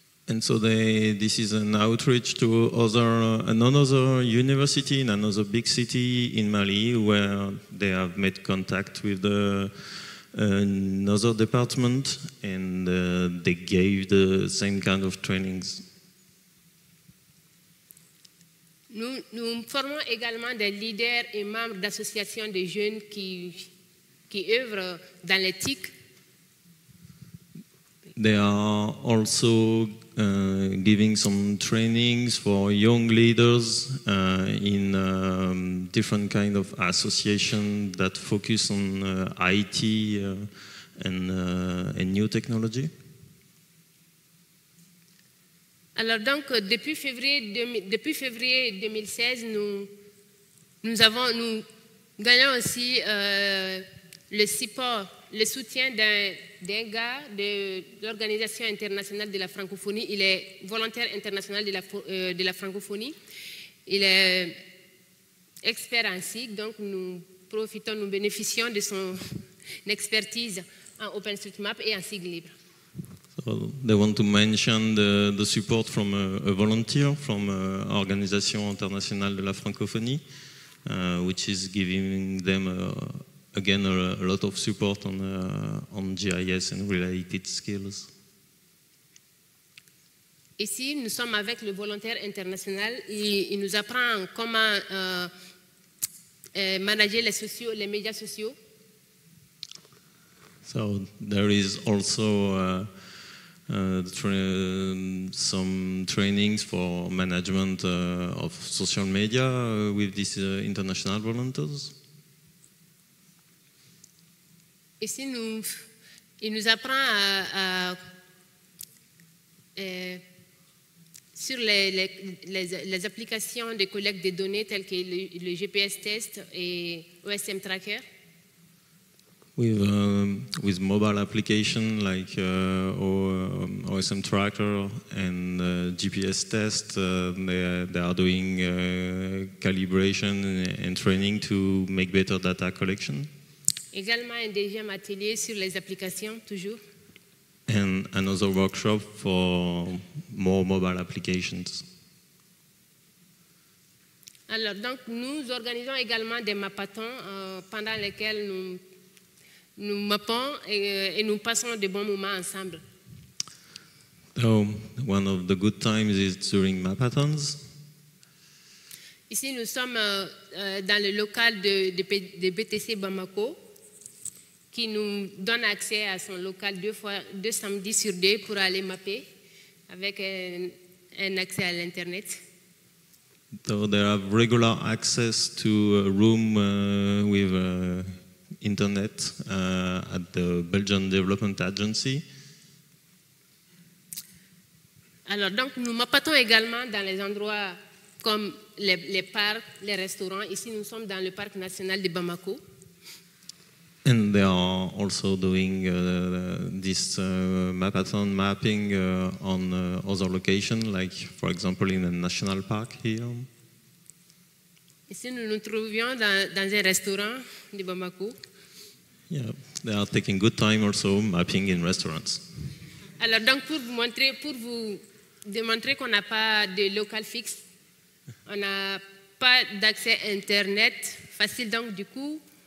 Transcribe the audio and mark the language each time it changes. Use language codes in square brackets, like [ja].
[en] And so this is an outreach to another university in another big city in Mali, where they have made contact with another department, and they gave the same kind of trainings. [fr] Nous formons également des leaders et membres d'associations de jeunes qui œuvrent dans les TIC. [en] They are also giving some trainings for young leaders in different kind of association that focus on IT and new technology. [fr] Alors donc depuis février 2016 nous gagnons aussi le support, le soutien d'un gars de l'Organisation internationale de la francophonie. Il est volontaire international de la francophonie. Il est expert en SIG, donc nous bénéficions de son expertise en OpenStreetMap et en SIG libre. [en] So they want to mention the support from a volunteer from l'Organisation internationale de la francophonie, which is giving them again, a lot of support on GIS and related skills. [fr] Ici, nous sommes avec le volontaire international. Il nous apprend comment manager les médias sociaux. [en] So there is also some trainings for management of social media with these international volunteers. [fr] Et si nous, il nous apprend à sur les applications de collecte des données telles que le GPS test et OSM tracker. [en] With mobile application like OSM tracker and GPS test, they are doing calibration and training to make better data collection. [fr] Également un deuxième atelier sur les applications, toujours. [en] And another workshop for more mobile applications. [fr] Alors, donc, nous organisons également des mappathons pendant lesquels nous mappons et nous passons de bons moments ensemble. [en] So, one of the good times is during mappathons. [fr] Ici, nous sommes dans le local de BTC Bamako, qui nous donne accès à son local deux samedis sur deux pour aller mapper avec un accès à l'internet. [en] So they have regular access to a room with internet at the Belgian Development Agency. [fr] Alors donc nous mappons également dans les endroits comme les parcs, les restaurants. Ici nous sommes dans le parc national de Bamako. [en] And they are also doing this mappathon mapping on other locations, like for example in a national park here. [fr] Ici, nous nous trouvions dans un restaurant de Bamako. [en] Yeah, they are taking good time also mapping in restaurants. [fr] Alors donc pour vous démontrer qu'on n'a pas de local fixe, on n'a pas d'accès internet facile, donc du coup.